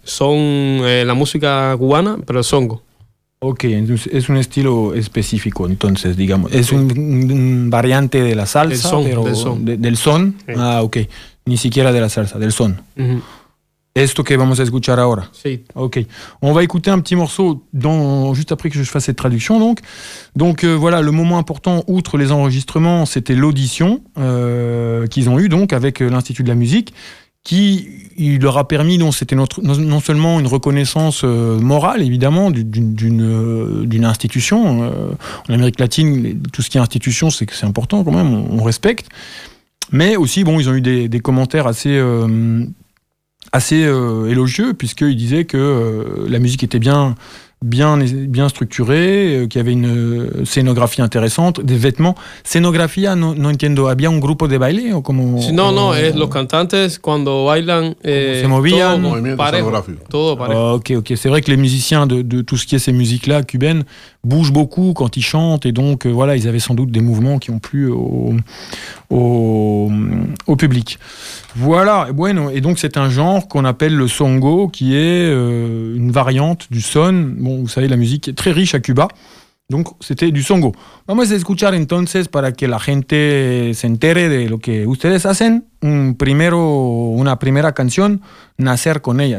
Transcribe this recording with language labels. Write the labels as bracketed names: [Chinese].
[Spanish] Son la música cubana, pero el songo. Ok, entonces es un estilo específico, entonces, digamos. Es un variante de la salsa. Del son. Pero, del son. Del son. Sí. Ah, ok. Ni siquiera de la salsa, del son. Uh-huh. Esto que vamos a escuchar ahora. Sí. Ok. [French] On va écouter un petit morceau juste après que je fasse cette traduction. Donc, voilà, le moment important, outre les enregistrements, c'était l'audition qu'ils ont eue donc, avec l'Institut de la musique, qui il leur a permis, donc, c'était non seulement une reconnaissance morale, évidemment, d'une institution. En Amérique latine, tout ce qui est institution, c'est important quand même, on respecte. Mais aussi, bon, ils ont eu des commentaires assez élogieux, puisqu'ils disaient que la musique était bien structurée, qu'il y avait une scénographie intéressante, des vêtements. [Spanish] Scénographie, no entiendo, ¿había un grupo de baile? O como, sí, no, no, es los cantantes cuando bailan, se movían, todo parejo. [French] Ok, ok, c'est vrai que les musiciens de tout ce qui est ces musiques-là cubaines bougent beaucoup quand ils chantent, et donc voilà, ils avaient sans doute des mouvements qui ont plu au public. Voilà, bueno, et donc c'est un genre qu'on appelle le songo, qui est une variante du son. Bon, vous savez, la musique est très riche à Cuba, donc c'était du songo. [Spanish] Vamos a escuchar entonces, para que la gente se entere de lo que ustedes hacen, una primera canción, Nacer con ella.